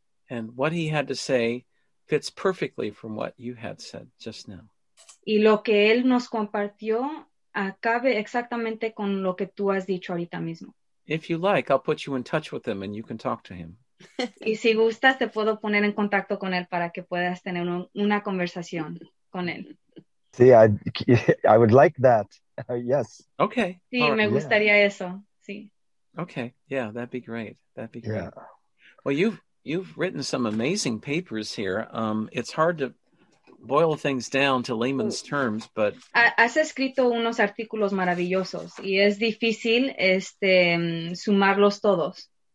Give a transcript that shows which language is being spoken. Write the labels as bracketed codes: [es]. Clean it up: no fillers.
[en] And what he had to say fits perfectly from what you had said just now. [es] Y lo que él nos compartió cabe exactamente con lo que tú has dicho ahorita mismo. [en] If you like, I'll put you in touch with him and you can talk to him. [es] Y si gustas, te puedo poner en contacto con él para que puedas tener una conversación con él. [en] Sí, I would like that. Yes. Okay. [es] Sí, me gustaría eso. Sí. [en] Okay. Yeah, that'd be great. That'd be great. Yeah. Well, you've written some amazing papers here. It's hard to boil things down to layman's terms, but [es] has escrito unos artículos maravillosos y es difícil sumarlos todos.